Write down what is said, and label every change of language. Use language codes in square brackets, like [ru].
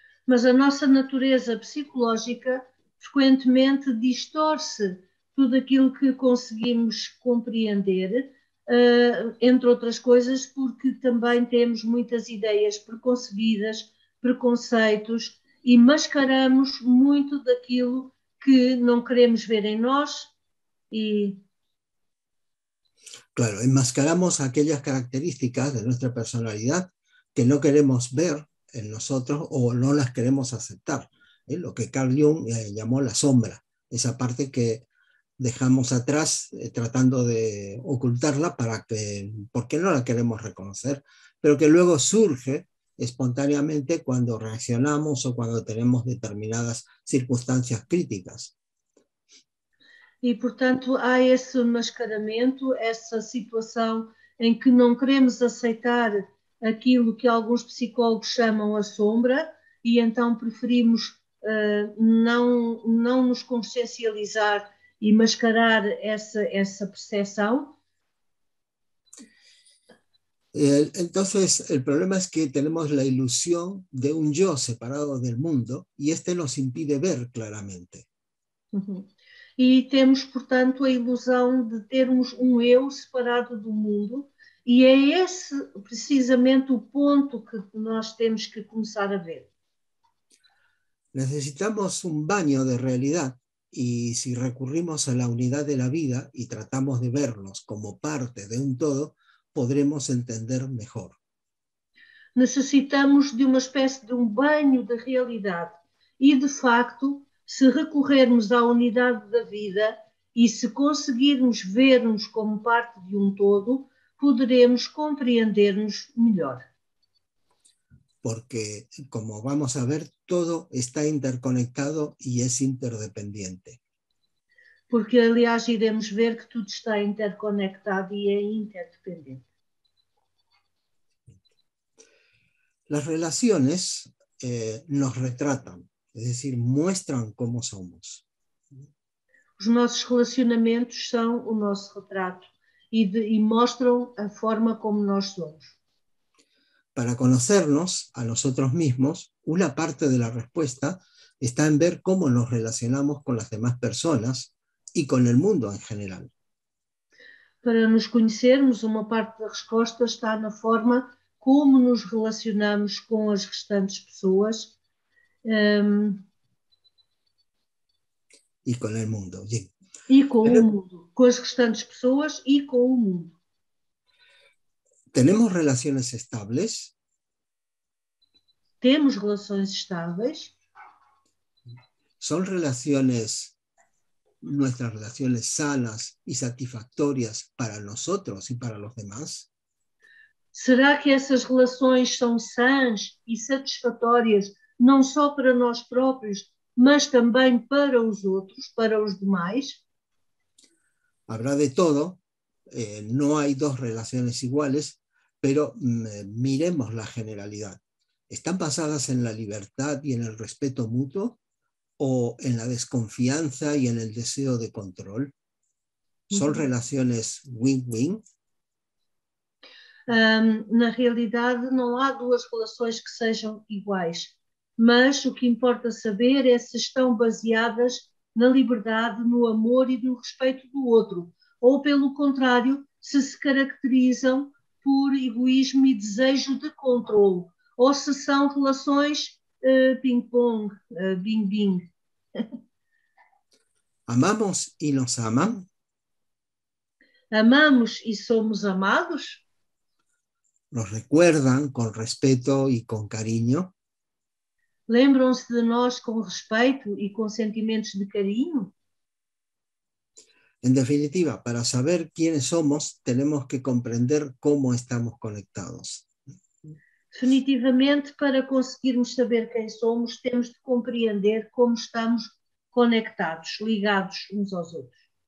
[pt] mas a nossa natureza psicológica frequentemente distorce tudo aquilo que conseguimos compreender, entre outras coisas, porque também temos muitas ideias preconcebidas, preconceitos, e mascaramos muito daquilo que não queremos ver em nós e. [es] Claro, enmascaramos aquellas características de nuestra personalidad que no queremos ver en nosotros o no las queremos aceptar, ¿eh? Lo que Carl Jung llamó la sombra, esa parte que dejamos atrás tratando de ocultarla para que, porque no la queremos reconocer, pero que luego surge espontáneamente cuando reaccionamos o cuando tenemos determinadas circunstancias críticas. [pt] E, portanto, há esse mascaramento, essa situação em que não queremos aceitar aquilo que alguns psicólogos chamam a sombra, e então preferimos não nos consciencializar e mascarar essa percepção. [es] Entonces, el problema es que tenemos la ilusión de un yo separado del mundo y este nos impide ver claramente. [pt] E temos, portanto, a ilusão de termos um eu separado do mundo, e é esse precisamente o ponto que nós temos que começar a ver. [es] Necesitamos un baño de realidad y si recurrimos a la unidad de la vida y tratamos de vernos como parte de un todo, podremos entender mejor. [pt] Necessitamos de uma espécie de um banho de realidade, e de facto. Se recorrermos à unidade da vida e se conseguirmos ver-nos como parte de um todo, poderemos compreender-nos melhor. [es] Porque, como vamos a ver, todo está interconectado y es interdependiente. [pt] Porque, aliás, iremos ver que tudo está interconectado e é interdependente. [es] Las relaciones nos retratan, es decir, muestran cómo somos. [pt] Os nossos relacionamentos são o nosso retrato e mostram a forma como nós somos. [es] Para conocernos a nosotros mismos, una parte de la respuesta está en ver cómo nos relacionamos con las demás personas y con el mundo en general. [pt] Para nos conhecermos, uma parte da resposta está na forma como nos relacionamos com as restantes pessoas. [es] Y con el mundo. Sí. [pt] E com o [es] Pero [pt] mundo, com as restantes pessoas e com o mundo. [es] tenemos relaciones estables. [pt] Temos relações estáveis. [es] Son relaciones, nuestras relaciones sanas y satisfactorias para nosotros y para los demás. [pt] Será que essas relações são sãs e satisfatórias não só para nós próprios, mas também para os outros, para os demais? [es] Habrá de todo, no hay dos relaciones iguales, pero miremos la generalidad. ¿Están basadas en la libertad y en el respeto mutuo o en la desconfianza y en el deseo de control? ¿Son relaciones win-win? [pt] Na realidade, não há duas relações que sejam iguais, mas o que importa saber é se estão baseadas na liberdade, no amor e no respeito do outro, ou pelo contrário, se se caracterizam por egoísmo e desejo de controlo, ou se são relações ping-pong, bing-bing. [es] Amamos y nos aman. [pt] Amamos e somos amados? [es] Nos recuerdan con respeto y con cariño. [pt] Lembram-se de nós com respeito e com sentimentos de carinho? [es] En definitiva, para saber quiénes somos, tenemos que comprender cómo estamos conectados. [pt] Definitivamente, para conseguirmos saber quem somos, temos de compreender como estamos conectados, ligados uns aos outros.